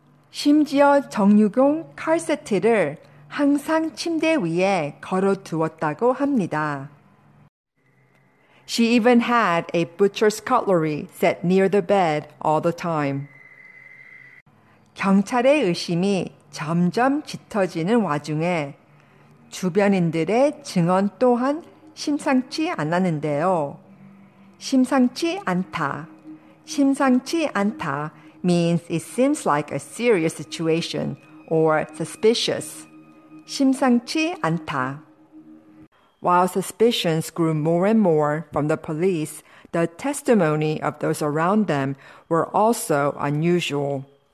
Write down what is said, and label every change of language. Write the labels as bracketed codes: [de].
[ko] 심지어 정육용 칼 세트를 항상 침대 위에 걸어두었다고 합니다. [en] She even had a butcher's cutlery set near the bed all the time. [ko] 경찰의 의심이 점점 짙어지는 와중에 주변인들의 증언 또한 심상치 않았는데요. 심상치 않다. 심상치 않다 [en] means it seems like a serious situation or suspicious. [ko] 심상치 않다. [en] While suspicions grew more and more from the police, the testimony of those around them were also unusual.